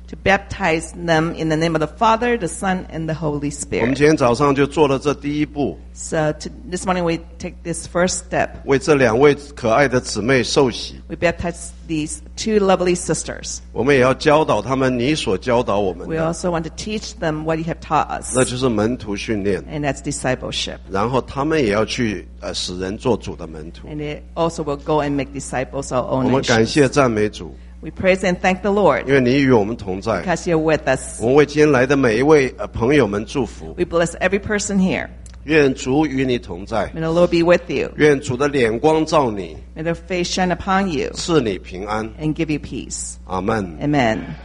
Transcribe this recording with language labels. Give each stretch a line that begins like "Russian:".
English: to baptize them in the name of the Father, the Son, and the Holy Spirit.
Chinese: 我们今天早上就做了这第一步
English: So this morning we take this first step.
Chinese: 为这两位可爱的姊妹受洗
English: We baptize these two lovely sisters.
Chinese: 我们也要教导他们你所教导我们的
English: We also want to teach them what you have taught us.
Chinese: 那就是门徒训练
English: And that's discipleship.
Chinese: 然后他们也要去使人做主的门徒
English: And they also will go and make disciples of all nations.
Chinese: 感谢赞美主
English: We praise and thank the Lord.
Chinese: 因为你与我们同在。
English: Because you're with us.
Chinese: 我们为今天来的每一位朋友们祝福。
English: We bless every person here.
Chinese: 愿主与你同在。
English: May the Lord be with you.
Chinese: 愿主的脸光照你。
English: May the face shine upon you.
Chinese: 赐你平安。
English: And give you peace. Amen. Amen.